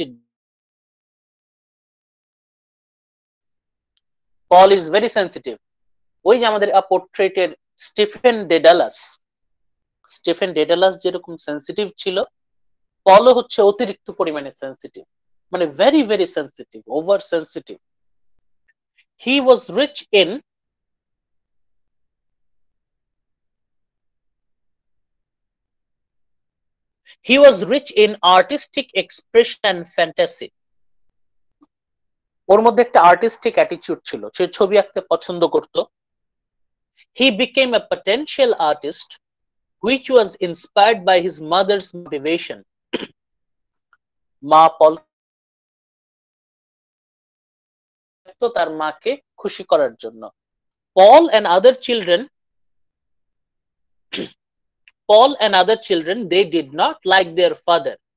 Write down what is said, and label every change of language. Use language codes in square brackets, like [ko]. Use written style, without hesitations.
[en] It Paul is very sensitive. [bn] ওই যে আমাদের পোর্ট্রেটের স্টিফেন ডেডালাস, স্টিফেন ডেডালাস যেরকম সেন্সিটিভ ছিল, পলও হচ্ছে অতিরিক্ত পরিমাণে সেন্সিটিভ, মানে [en] Very very sensitive, over sensitive. He was rich in He was rich in artistic expression and fantasy. [bn] ওর মধ্যে একটা আর্টিস্টিক অ্যাটিটিউড ছিল, সে ছবি আঁকতে পছন্দ করত। [en] He became a potential artist which was inspired by his mother's motivation. [bn] মা পল তার মাকে খুশি করার জন্য, [en] Paul and other children, Paul and other children, they did not like their father.